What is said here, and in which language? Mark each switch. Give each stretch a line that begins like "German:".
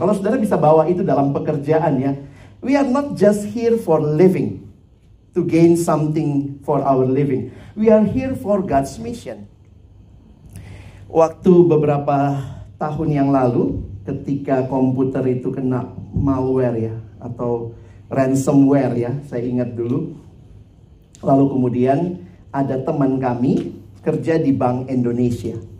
Indonesian: Kalau Saudara bisa bawa itu dalam pekerjaan ya.
English: We are not just here for living, to gain something for our living. We are here for God's mission.
Indonesian: Waktu beberapa tahun yang lalu, ketika komputer itu kena malware ya, atau ransomware ya, saya ingat dulu. Lalu kemudian ada teman kami kerja di Bank Indonesia.